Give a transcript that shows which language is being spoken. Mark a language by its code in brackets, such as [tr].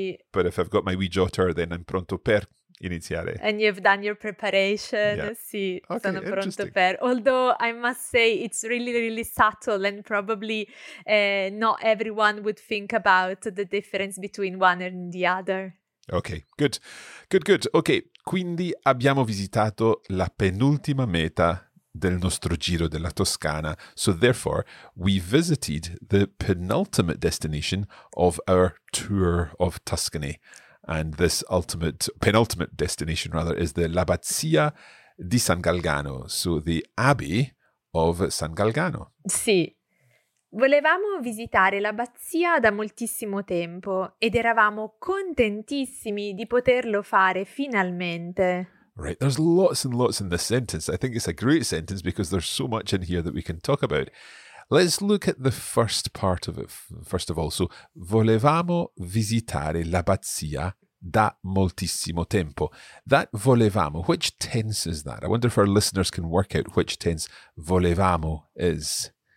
[en] But if I've got my wee jotter, then I'm [it] pronto per iniziare. [en] And you've done your preparation. Yeah. [it] Sì, okay, sono pronto per. [en] Although I must say it's really, really subtle and probably not everyone would think about the difference between one and the other. Okay, good. Good, good. [it] Okay, quindi abbiamo visitato la penultima meta del nostro giro della Toscana. [en] So therefore, we visited the penultimate destination of our tour of Tuscany. And this penultimate destination, rather, is the L'Abbazia di San Galgano. So the Abbey of San Galgano. [it] Sì. Volevamo visitare l'abbazia da moltissimo tempo ed eravamo contentissimi di poterlo fare finalmente. [en] Right, there's lots and lots in this sentence. I think it's a great sentence because there's so much in here that we can talk about. Let's look at the first part of it, first of all. So, [it] volevamo visitare l'abbazia da moltissimo tempo. [en] That volevamo, which tense is that? I wonder if our listeners can work out which tense volevamo is.